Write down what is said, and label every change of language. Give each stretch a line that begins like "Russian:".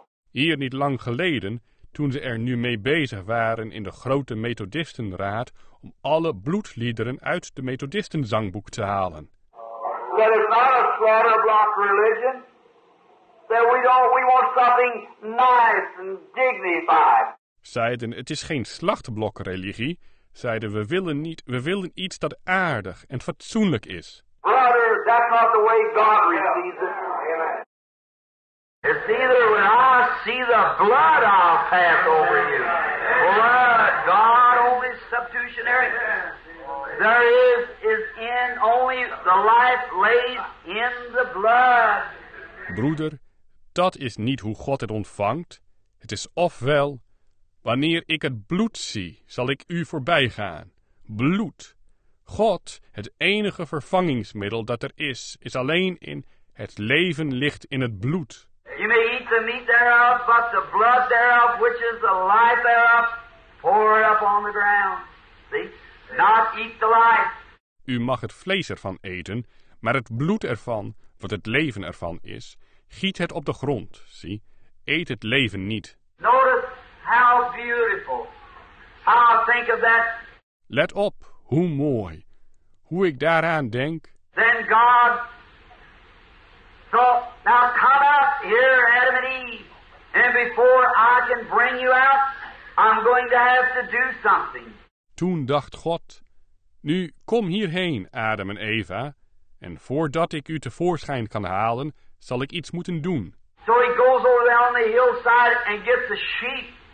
Dutch: Hier niet lang geleden, toen ze er nu mee bezig waren in de grote Methodistenraad om alle bloedliederen uit de Methodistenzangboek te halen.
English: That is not a slaughterblock religion. That we want something nice and dignified.
Dutch: Zeiden, het is geen slachtblokreligie. Zeiden, we willen iets dat aardig en fatsoenlijk is.
English: Brother, that's not the way God receives it. Amen. It's either when I see the blood I'll pass over you. Blood, God only substitutionary. There is in only the life laid in the blood.
Dutch: Broeder, dat is niet hoe God het ontvangt. Het is ofwel, wanneer ik het bloed zie, zal ik u voorbij gaan. Bloed. God, het enige vervangingsmiddel dat er is, is alleen in het leven ligt in het bloed.
English: You may eat the meat thereof, but the blood thereof, which is the life thereof, pour it up on the ground. See? Not eat the life.
Dutch: U mag het vlees ervan eten, maar het bloed ervan, wat het leven ervan is, giet het op de grond. Zie? Eet het leven niet.
English: Notice. How beautiful. I'll think of that.
Dutch: Let op, hoe mooi. Hoe ik daaraan denk.
English: Then God. So, now come up here, Adam and Eve. And before I can bring you out, I'm going to have to do something.
Dutch: Toen dacht God, nu kom hierheen, Adam en Eva. En voordat ik u tevoorschijn kan halen, zal ik iets moeten doen.
English: So he goes over there on the hillside and gets the sheep.